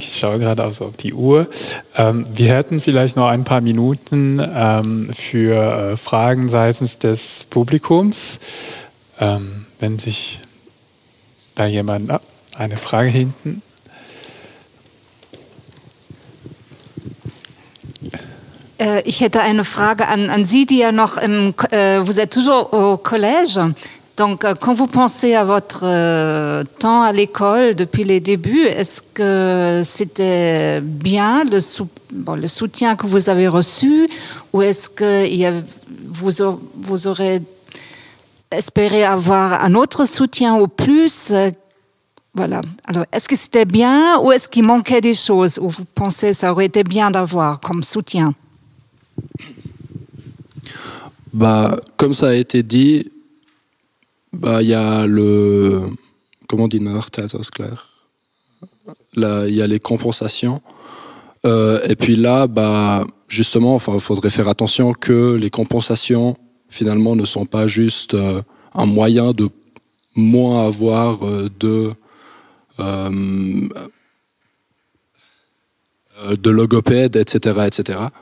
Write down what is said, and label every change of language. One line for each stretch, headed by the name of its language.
German: Ich schaue gerade also auf die Uhr. Wir hätten vielleicht noch ein paar Minuten für Fragen seitens des Publikums. Wenn sich da jemand... Ah, eine Frage hinten. Ich hätte eine Frage an Sie, die ja noch im...
French: vous êtes toujours au collège. Donc, quand vous pensez à votre temps à l'école depuis les débuts, est-ce que c'était bien le soutien que vous avez reçu, ou est-ce que vous aurez espéré avoir un autre soutien ou plus? Voilà. Alors, est-ce que c'était bien ou est-ce qu'il manquait des choses, ou vous pensez que ça aurait été bien d'avoir comme soutien? Bah, comme ça a été dit, bah, il y a le... Comment dit Nachteilsausgleich ? Là, il y a les compensations. Et puis là, bah, justement, enfin, il faudrait faire attention que les compensations, finalement, ne sont pas juste un moyen de moins avoir de logopède, etc., etc.